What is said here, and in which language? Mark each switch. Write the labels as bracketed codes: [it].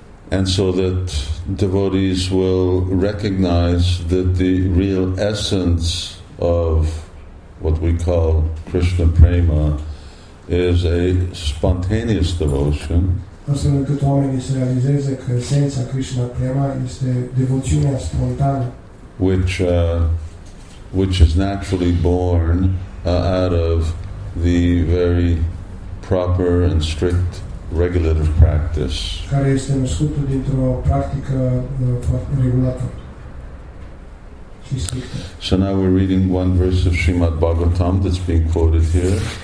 [en] And so that devotees will recognize that the real essence of what we call Krishna Prema is a spontaneous devotion. [ro] Astfel încât oamenii să realizeze că esența Krishna Prema este devoțiunea spontană. [en] Which is naturally born out of the very proper and strict regulative practice. [ro] Care este născută dintr-o practică regulată. [en] So now we're reading one verse of Srimad Bhagavatam that's being quoted here.